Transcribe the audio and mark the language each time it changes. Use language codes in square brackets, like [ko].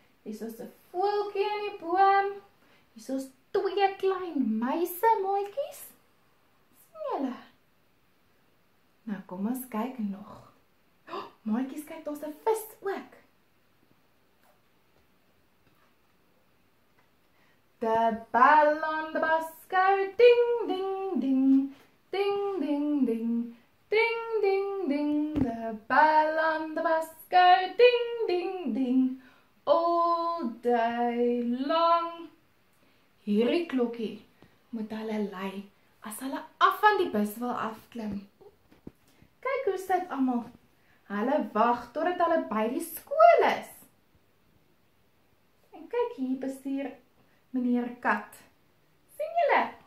[af] Hier is 'n voeltjie in die boom. Hier is twee klein muise maatjies. Sien julle? Nou kom ons kyk nog. Maatjies, kyk, daar's 'n vis ook. [en] The bell on the bus go ding ding ding, ding ding ding, ding ding ding. The bell on the bus go ding ding ding all day long. [af] Hierdie klokkie moet hulle lei as hulle af van die bus wil afklim. Kyk hoe sit almal. Hulle wag totdat hulle by die skool is. En kyk hier bestuur meneer Kat. Sien julle?